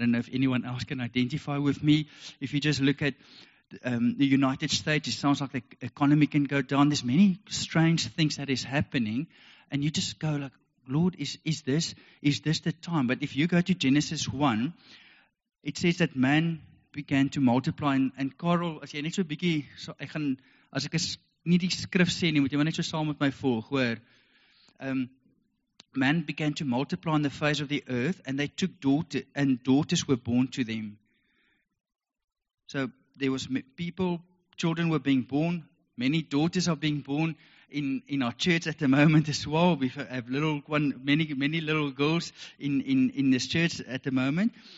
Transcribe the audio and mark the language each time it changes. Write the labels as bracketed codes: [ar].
[en] I don't know if anyone else can identify with me. If you just look at the United States, it sounds like the economy can go down. There's many strange things that is happening. And you just go like, Lord, is this the time? But if you go to Genesis 1, it says that man began to multiply. [af] And Carl, as jy net so bietjie, so ek gaan, as ek nie die skrif sê nie, moet jy maar net so saam met my volg, hoor. [en] Man began to multiply on the face of the earth, and they took daughters were born to them. So there was people, children were being born, many daughters are being born in our church at the moment as well. We have many little girls in this church at the moment.